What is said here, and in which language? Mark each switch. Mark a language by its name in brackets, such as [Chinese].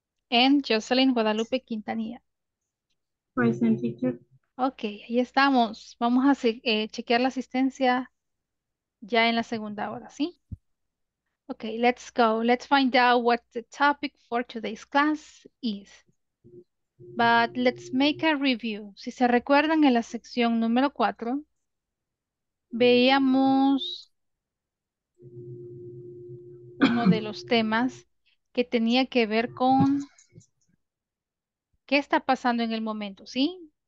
[English] And Jocelyn Guadalupe Quintanilla. Present, teacher. [Spanish] Okay, ahí estamos. Vamos a chequear la asistencia ya en la segunda hora, ¿sí? [English] Okay, let's go. Let's find out what the topic for today's class is. But let's make a review. [Spanish] Si se recuerdan, en la sección número 4, veíamos uno de los temas que tenía que ver con ¿qué está pasando en el momento, sí?